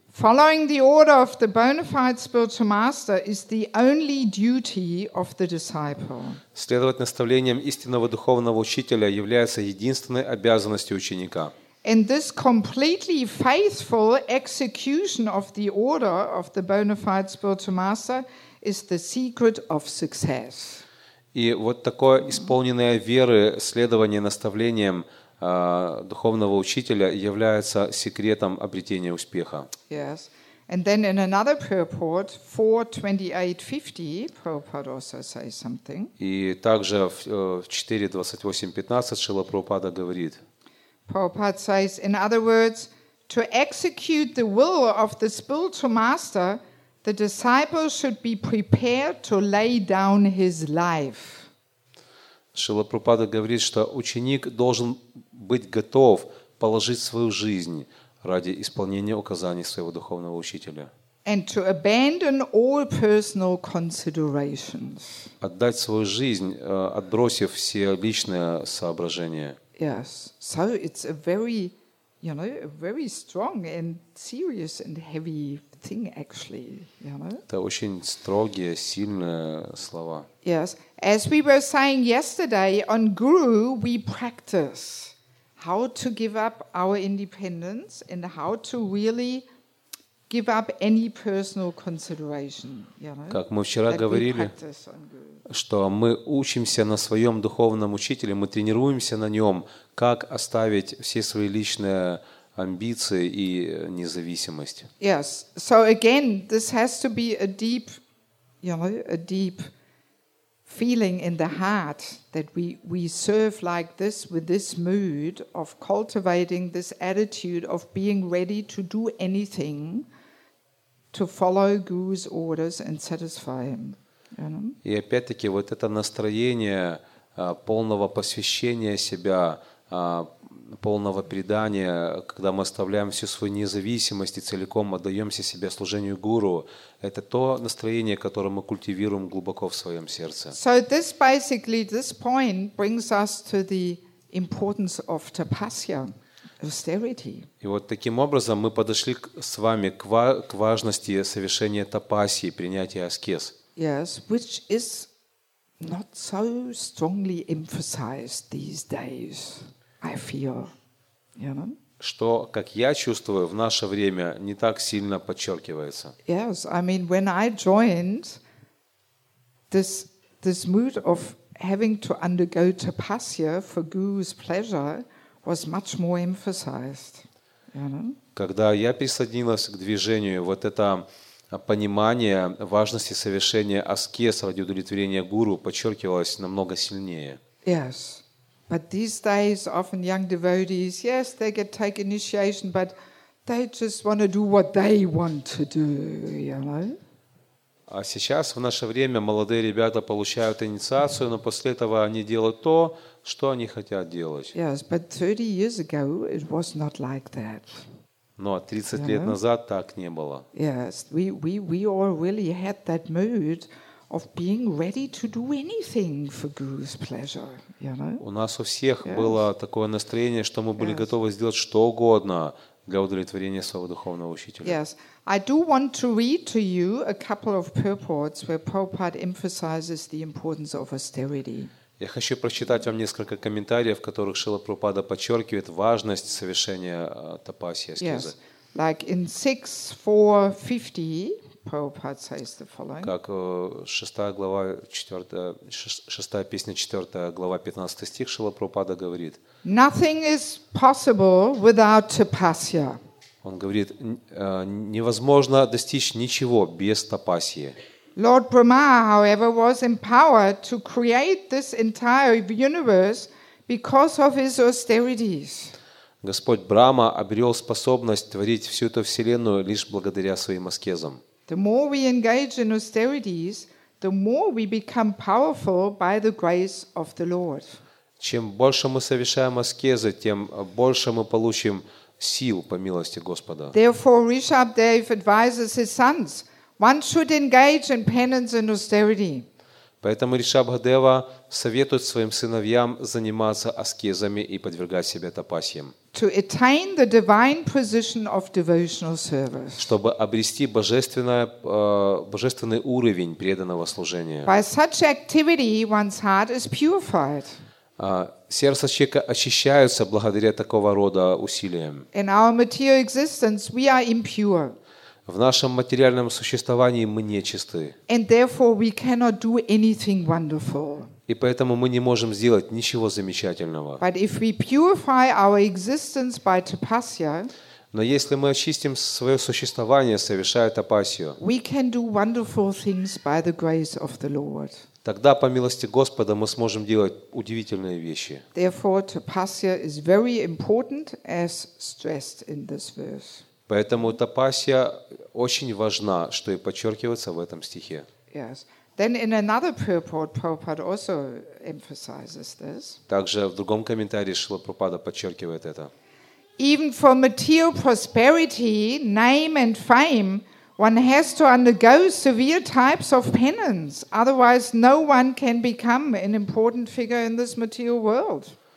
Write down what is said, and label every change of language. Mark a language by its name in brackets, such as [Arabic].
[English] Following the order of the bona fide spiritual master is the only duty of the disciple. [Russian] Следовать наставлениям истинного духовного учителя является единственной обязанностью ученика. [English] And this completely faithful execution of the order of the bona fide spiritual master is the secret of success. [Russian] И вот такое исполненное веры следование наставлениям духовного учителя является секретом обретения успеха. [English] Yes. And then in another purport, 4.28.50, Prabhupada also says something. [Russian] И также в 4.28.15 Шрила Прабхупада говорит. [English] Prabhupada says, in other words, to execute the will of the spiritual master, the disciple should be prepared to lay down his life. [Russian] Шрила Прабхупада говорит, что ученик должен быть готов положить свою жизнь ради исполнения указаний своего духовного учителя. [English] And to abandon all personal considerations. [Russian] Отдать свою жизнь, отбросив все личные соображения. [English] Yes. So it's a very, you know, a very strong and serious and heavy thing actually, you know. [Russian] Это очень строгие, сильные слова. [English] Yes. As we were saying yesterday, on Guru we practice. How to give up our independence and how to really give up any personal consideration, you know? [Russian] Как мы вчера говорили, что мы учимся на своем духовном учителе, мы тренируемся на нем, как оставить все свои личные амбиции и независимость. [English] Yes. So again, this has to be a deep, you know, a deep feeling in the heart that we serve like this with this mood of cultivating this attitude of being ready to do anything to follow Guru's orders and satisfy him. [Russian] И опять-таки вот это настроение полного посвящения себя, полного предания, когда мы оставляем всю свою независимость и целиком отдаемся себе служению гуру, это то настроение, которое мы культивируем глубоко в своем сердце. [English] So this basically, this point brings us to the importance of tapasya, austerity. [Russian] И вот таким образом мы подошли с вами к важности совершения тапасии, принятия аскез. [English] Yes, which is not so strongly emphasized these days. I feel, you know? [Russian] Что, как я чувствую, в наше время не так сильно подчеркивается. [English] Yes, I mean, when I joined, this mood of having to undergo tapasya for Guru's pleasure was much more emphasized. You know? [Russian] Когда я присоединилась к движению, вот это понимание важности совершения аскез ради удовлетворения Гуру подчеркивалось намного сильнее. [English] Yes. But these days, often young devotees, yes, they get take initiation, but they just want to do what they want to do, you know. [Russian] А сейчас в наше время молодые ребята получают инициацию, но после этого они делают то, что они хотят делать. [English] Yes, but 30 years ago it was not like that. [Russian] Но 30 лет назад так не было. [English] Yes, we all really had that mood of being ready to do anything for Guru's pleasure, you know? [Russian] У нас у всех было такое настроение, что мы были готовы сделать что угодно для удовлетворения своего духовного учителя. [English] Yes. I do want to read to you a couple of purports where Prabhupada emphasizes the importance of austerity. [Russian] Я хочу прочитать вам несколько комментариев, в которых Шрила Прабхупада подчеркивает важность совершения тапасии, аскезы. [English] Yes. Like in 6.4.50, Prabhupada says the following. [Russian] Как 6 глава 4 6 песня 4 глава 15 стих Шрила Прабхупада говорит. [English] Nothing is possible without tapasya. [Russian] Он говорит, невозможно достичь ничего без тапасии. [English] Lord Brahma, however, was empowered to create this entire universe because of his austerities. [Russian] Господь Брама обрел способность творить всю эту вселенную лишь благодаря своим аскезам. [English] The more we engage in austerities, the more we become powerful by the grace of the Lord. [Russian] Чем больше мы совершаем аскезы, тем больше мы получим сил по милости Господа. [English] Therefore, Rishabdev advises his sons: one should engage in penance and austerity. [Russian] Поэтому Ришабхадева советует своим сыновьям заниматься аскезами и подвергать себя тапасьям. [English] To attain the divine position of devotional service. [Russian] Чтобы обрести божественный уровень преданного служения. [English] By such activity, one's heart is purified. [Russian] Сердце человека очищается благодаря такого рода усилиям. [English] In our material existence, we are impure. [Russian] В нашем материальном существовании мы нечисты. [English] And therefore we cannot do anything wonderful. [Russian] И поэтому мы не можем сделать ничего замечательного. [English] But if we purify our existence by tapasya, [Russian] но если мы очистим свое существование, совершая тапасью, [English] we can do wonderful things by the grace of the Lord. [Russian] Тогда по милости Господа мы сможем делать удивительные вещи. [English] Therefore tapasya is very important as stressed in this verse. [Russian] Поэтому тапасья очень важна, что и подчеркивается в этом стихе. [English] Yes. Then in another purport, Prabhupada also emphasizes this. [Russian] Также в другом комментарии Шрила Прабхупада подчеркивает это. [English] Even for material prosperity, name and fame, one has to undergo severe types of penance. Otherwise, no one can become an important figure in this material world.